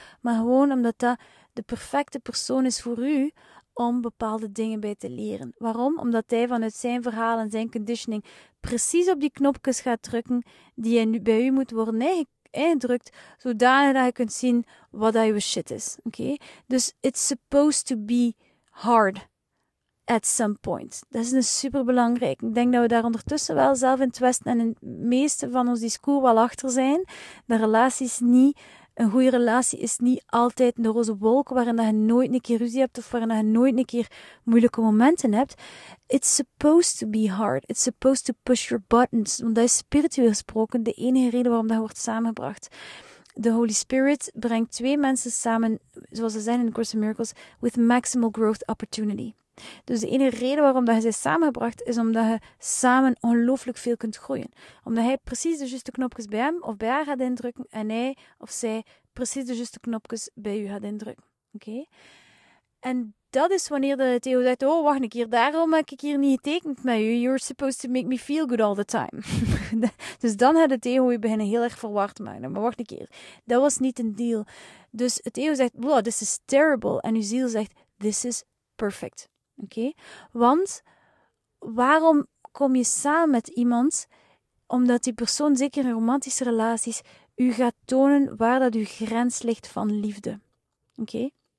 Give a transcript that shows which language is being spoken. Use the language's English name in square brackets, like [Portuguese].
[Dutch] Maar gewoon omdat dat de perfecte persoon is voor u om bepaalde dingen bij te leren. Waarom? Omdat hij vanuit zijn verhaal en zijn conditioning precies op die knopjes gaat drukken die bij u moet worden ingedrukt, zodanig dat je kunt zien wat dat je shit is. Oké? [English] Dus it's supposed to be hard at some point. [Dutch] Dat is een superbelangrijk. Ik denk dat we daar ondertussen wel zelf in het Westen en in het meeste van ons discours wel achter zijn. De relatie is niet... Een goede relatie is niet altijd een roze wolk waarin je nooit een keer ruzie hebt of waarin je nooit een keer moeilijke momenten hebt. [English] It's supposed to be hard. It's supposed to push your buttons. [Dutch] Want dat is spiritueel gesproken de enige reden waarom dat wordt samengebracht. The Holy Spirit brengt twee mensen samen, zoals ze zijn in The Course in Miracles, [English] with maximal growth opportunity. [Dutch] Dus de enige reden waarom dat je ze samengebracht is omdat je samen ongelooflijk veel kunt groeien. Omdat hij precies de juiste knopjes bij hem of bij haar gaat indrukken en hij of zij precies de juiste knopjes bij u gaat indrukken. Oké? En dat is wanneer de Theo zegt, oh wacht een keer, daarom heb ik hier niet getekend met u. [English] You're supposed to make me feel good all the time. [Dutch] Dus dan gaat de Theo je beginnen heel erg verward te maken. Maar wacht een keer, dat was niet een deal. Dus het Theo zegt, wow, [English] this is terrible. [Dutch] En uw ziel zegt, [English] this is perfect. [Dutch] Oké? Want waarom kom je samen met iemand? Omdat die persoon, zeker in romantische relaties, u gaat tonen waar dat uw grens ligt van liefde. Oké?